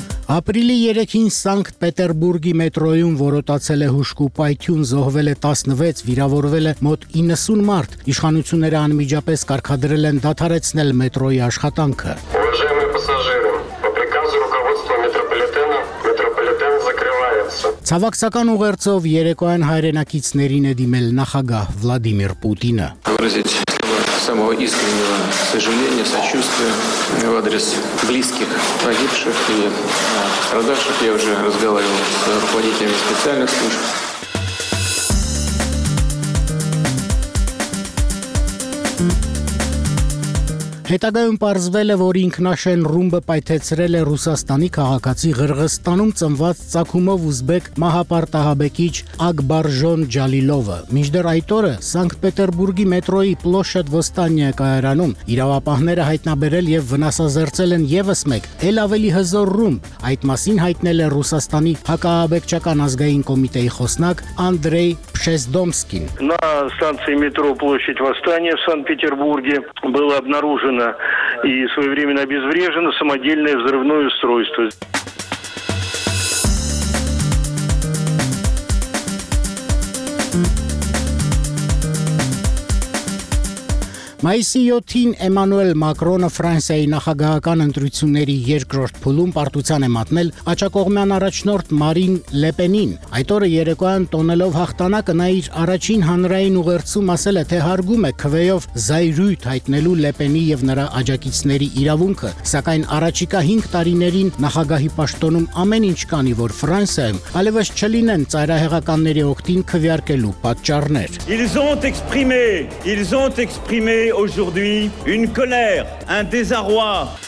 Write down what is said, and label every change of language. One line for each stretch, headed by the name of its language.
Armenian: Ապրիլի 3-ին Սանկտ Պետերբուրգի մետրոյում որոտացել է հուշկու պայթյուն, զոհվել է 16, վիրավորվել է մոտ 90 մարդ։ Իշխանությունները անմիջապես կարգադրել են դադարեցնել մետրոյի աշխատանքը։ Ցավակցական ուղերձով երեկոյան հայրենակիցներին է դիմել նախագահ Վլադիմիր Պուտինը։
Russian: Самого искреннего сожаления, сочувствия в адрес близких погибших и страдавших. Я уже разговаривал с руководителями специальных служб.
Armenian: Հետագայում պարզվել է, որ ինքնաշեն ռումբը պայթեցրել է Ռուսաստանի քաղաքացի Ղրղստանում ծնված ծագումով ուզբեկ մահապարտահաբեկիչ Ակբարժոն Ջալիլովը։ Մինչդեռ այդ օրը Սանկտպետերբուրգի մետրոյի Պլոշադ Վոստանյա կայարանում իրավապահները հայտնաբերել եւ վնասազերծել են եւս մեկ, ել ավելի հզոր ռումբ։ Այդ մասին հայտնել է Ռուսաստանի հակահաբեկչական ազգային կոմիտեի խոսնակ Անդրեյ Пшездомский.
Russian: На станции метро Площадь Восстания в Санкт-Петербурге было обнаружено и своевременно обезврежено самодельное взрывное устройство.
Armenian: Մայիսի 7-ին Էմանուել Մակրոնը Ֆրանսիայի նախագահական ընտրությունների երկրորդ փուլում պարտության է մատնել աջակողմյան առաջնորդ Մարին Լեպենին։ Այդ օրը երեկոյան տոնելով հաղթանակը նա իր առաջին հանրային ուղերձում ասել է, թե հարգում է քվեյով զայրույթ հայտնելու Լեպենի եւ նրա աջակիցների իրավունքը, սակայն առաջիկա 5 տարիներին նախագահի պաշտոնում ամեն ինչ կանի, որ Ֆրանսիայում ալևս չլինեն ծայրահեղականների օգտին քվեարկելու պատճառներ։
French: Ils ont exprimé aujourd'hui une colère, un désarroi.